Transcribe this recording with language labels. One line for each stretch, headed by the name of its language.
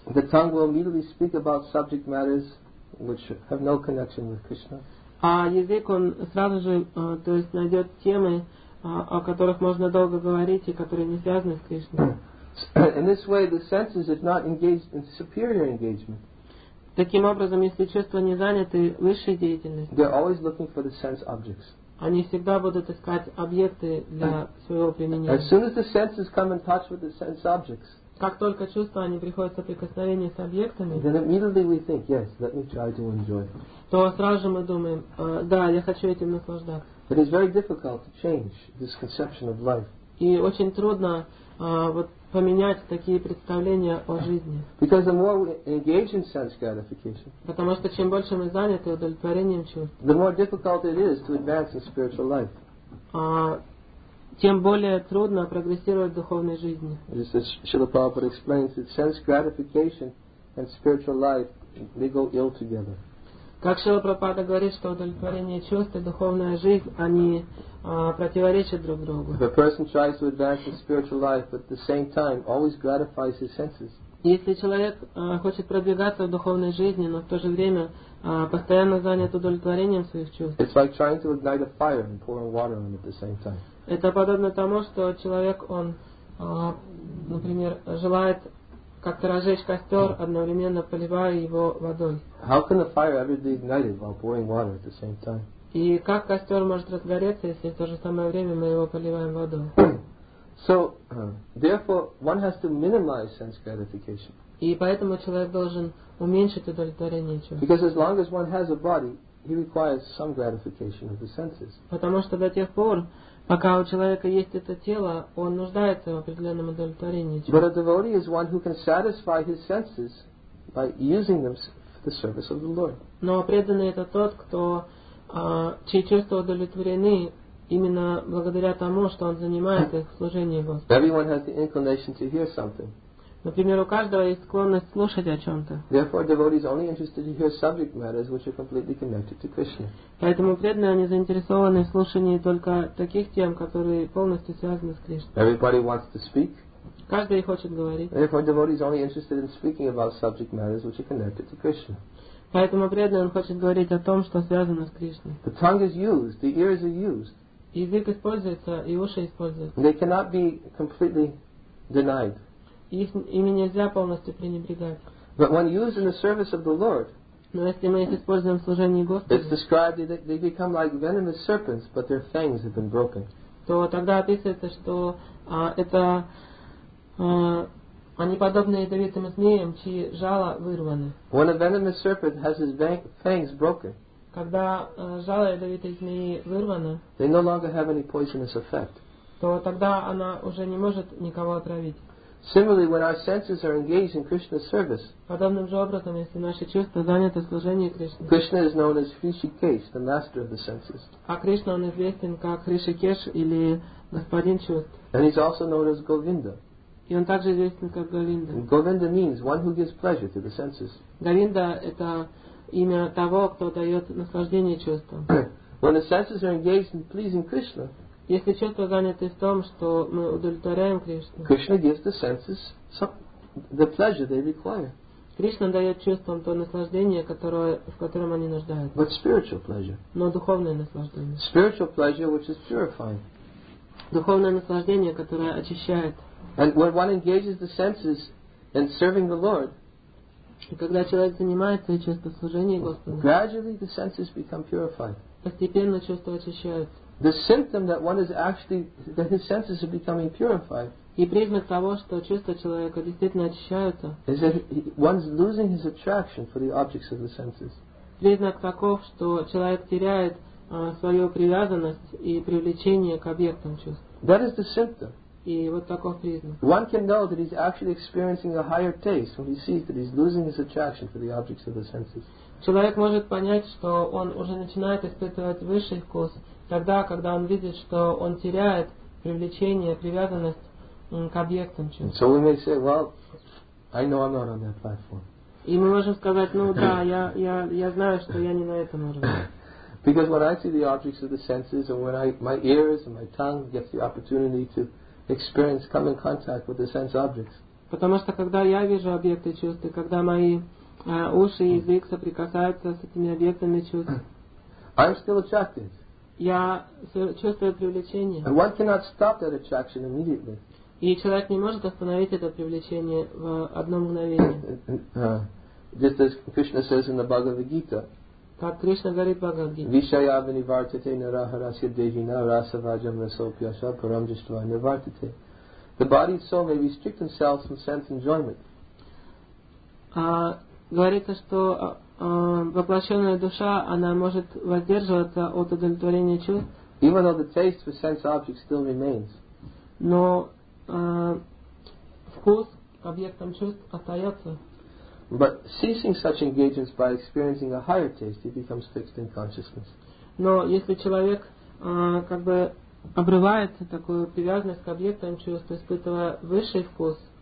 English: The tongue will immediately speak about subject matters which have no connection with Krishna.
Russian: А язык, он сразу же, то есть найдет темы, о которых можно долго говорить и которые не связаны с Кришной.
English: In this way, the senses, if not engaged in superior engagement,
Russian: таким образом, если чувства не заняты высшей деятельностью,
English: they're always looking for the sense objects.
Russian: Они всегда будут искать объекты для своего применения.
English: As soon as the senses come in touch with the sense objects,
Russian: как только чувства, они приходят в соприкосновение с объектами,
English: then immediately we think, yes, let me try to enjoy.
Russian: То сразу же мы думаем, да, я хочу этим наслаждаться.
English: But it's very difficult to change this conception of life.
Russian: И очень трудно вот поменять такие представления о жизни.
English: Because the more we engage in sense gratification,
Russian: потому что чем больше мы заняты удовлетворением чувств,
English: the more difficult it is to advance in spiritual life.
Russian: Тем более трудно прогрессировать в духовной жизни.
English: Just as Srila Prabhupada explains, that sense gratification and spiritual life, they go ill together.
Russian: Как Шрила Прабхупада говорит, что удовлетворение чувств и духовная жизнь, они противоречат друг другу.
English: If a person tries to advance his spiritual life, but at the same time always gratifies his senses.
Russian: Если человек хочет продвигаться в духовной жизни, но в то же время постоянно занят удовлетворением своих чувств.
English: It's like trying to ignite a fire and pour water on it at the same time.
Russian: Это подобно тому, что человек, он, например, желает как-то разжечь костер, одновременно поливая его водой.
English: How can the fire ever be ignited while pouring water at the same time?
Russian: И как костер может разгореться, если в то же самое время мы его поливаем водой?
English: So, therefore, one has to minimize sense gratification.
Russian: И поэтому человек должен уменьшить удовлетворение чувств.
English: Because as long as one has a body, he requires some gratification of the senses.
Russian: Потому что до тех пор, пока у человека есть это тело, он нуждается в определенном удовлетворении.
English: But a devotee is one who can satisfy his senses by using them for the service of the Lord.
Russian: Но преданный это тот, кто чьи чувства удовлетворены именно благодаря тому, что он занимает их в служении Господу.
English: Everyone has the inclination to hear something.
Russian: Например, у каждого есть склонность слушать о чем-то.
English: Therefore, devotees only interested to hear subject matters which are completely connected to Krishna.
Russian: Поэтому преданные, они заинтересованы в слушании только таких тем, которые полностью связаны с Кришной.
English: Everybody wants to speak.
Russian: Каждый хочет говорить.
English: Therefore, devotees only interested in speaking about subject matters which are connected to Krishna.
Russian: Поэтому преданный, он хочет говорить о том, что связано с Кришной.
English: The tongue is used, the ears are used.
Russian: Язык используется, и уши используются.
English: They cannot be completely denied.
Russian: Ими нельзя полностью пренебрегать.
English: But when used in the service of the Lord,
Russian: но если мы их используем в служении Господу,
English: it's described that they become like venomous serpents, but their fangs have been broken.
Russian: То тогда описывается, что это они подобны ядовитым змеям, чьи жало вырваны.
English: When a venomous serpent has his fangs broken,
Russian: когда жало ядовитой змеи вырвано,
English: they no longer have any poisonous effect.
Russian: То тогда она уже не может никого отравить.
English: Similarly, when our senses are engaged in Krishna's service,
Russian: подобным же образом, если наши чувства заняты служением Кришне,
English: Krishna is known as Hrishikesh, the master of the senses.
Russian: А Кришна, он известен как Хришикеш или господин чувств.
English: And he's also known as Govinda.
Russian: И он также известен как Говинда.
English: And Govinda means one who gives pleasure to the senses.
Russian: Говинда – это имя того, кто дает наслаждение чувствам.
English: When the senses are engaged in pleasing Krishna,
Russian: если чувства заняты в том, что мы удовлетворяем Кришну,
English: Krishna gives the senses the pleasure they require.
Russian: Кришна дает чувствам то наслаждение, которое, в котором они нуждаются.
English: But spiritual pleasure.
Russian: Но духовное наслаждение.
English: Spiritual pleasure, which is purifying.
Russian: Духовное наслаждение, которое очищает.
English: And when one engages the senses in serving the Lord,
Russian: и когда человек занимается чувством служения Господу,
English: gradually the senses become purified.
Russian: Постепенно чувства очищаются.
English: The symptom that one is actually, that his senses are becoming purified,
Russian: и признак того, что чувства человека действительно очищаются,
English: is that one's losing his attraction for the objects of the senses.
Russian: Признак таков, что человек теряет свою привязанность и привлечение к объектам чувств.
English: That is the symptom.
Russian: И вот таков признак.
English: One can know that he's actually experiencing a higher taste when he sees that he's losing his attraction for the objects of the senses.
Russian: Человек может понять, что он уже начинает испытывать высший вкус тогда, когда он видит, что он теряет привлечение, привязанность к объектам чувств.
English: So we may say, well, I know I'm not on that platform.
Russian: И мы можем сказать, ну да, я знаю, что я не на этом уровне.
English: Because when I see the objects of the senses, and when my ears and my tongue get the opportunity to experience, come in contact with the sense objects.
Russian: Потому что когда я вижу объекты чувств, когда мои уши и язык соприкасаются с этими объектами чувств,
English: I'm still attracted.
Russian: Я чувствую привлечение.
English: And one cannot stop that attraction immediately.
Russian: И человек не может остановить это привлечение в одно мгновение.
English: Just as Krishna says in the Bhagavad Gita.
Russian: Как Кришна говорит в Бхагавад Гите.
Sanskrit: Вишая винивартите нарахарасья дейхина раса ваджам расопьяша парамджиштва нивартите.
English: The body and soul may restrict themselves from sense enjoyment.
Russian: Говорится, что воплощенная душа, она может воздерживаться от удовлетворения чувств.
English: Even though the taste for sense objects still remains.
Russian: Но вкус объектам чувств остается.
English: But ceasing such engagements by experiencing a higher taste, it becomes fixed in consciousness.
Russian: Но если человек как бы обрывает такую привязанность к объектам чувств, испытывая высший вкус.